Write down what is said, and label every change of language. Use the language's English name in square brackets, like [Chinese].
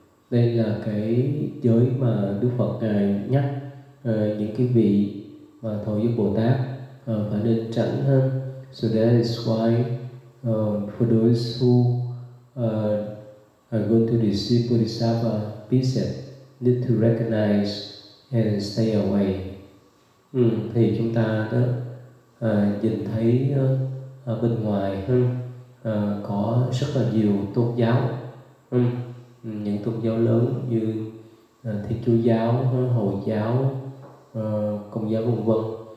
[Vietnamese] Đây là cái giới mà Đức Phật Ngài nhắc những cái vị mà thọ giới Bồ Tát phải nên tránh hơn. [English] So that is why for those who are going to receive Bodhisattva precept need to recognize and stay away. [Vietnamese] Thì chúng ta đó nhìn thấy bên ngoài hơn có rất là nhiều tôn giáo. Những tôn giáo lớn như Thiên Chúa giáo, Hồi giáo, Công giáo vân vân.